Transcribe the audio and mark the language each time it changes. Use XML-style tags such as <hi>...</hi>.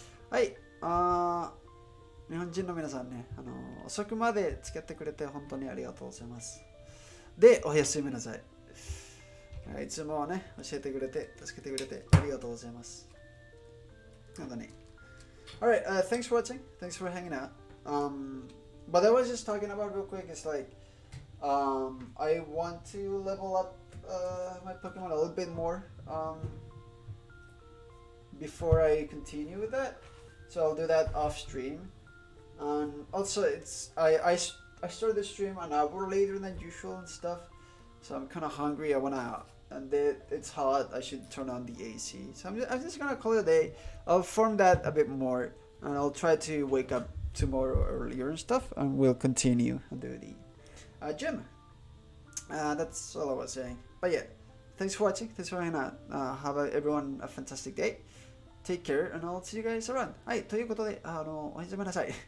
<ja>はい、あ、日本人の皆さんね、遅くまで付き合ってくれて本当にありがとうございます。で、おやすみなさい。いつもね教えてくれて助けてくれてありがとうございます、本当に。</ja> <en>Alright, thanks for watching, thanks for hanging out. But I was just talking about real quick, it's likeI want to level up my Pokemon a little bit more before I continue with that. So I'll do that off stream. Also, I started the stream an hour later than usual and stuff. So I'm kind of hungry. I want to, and it's hot. I should turn on the AC. So I'm just going to call it a day. I'll form that a bit more and I'll try to wake up tomorrow earlier and stuff, and we'll continue and do the. Jim, that's all I was saying. But yeah, thanks for watching. Thanks for hanging out. Have everyone a fantastic day. Take care, and I'll see you guys around.</en> <ja>はい、ということで、おやすみなさい。</ja>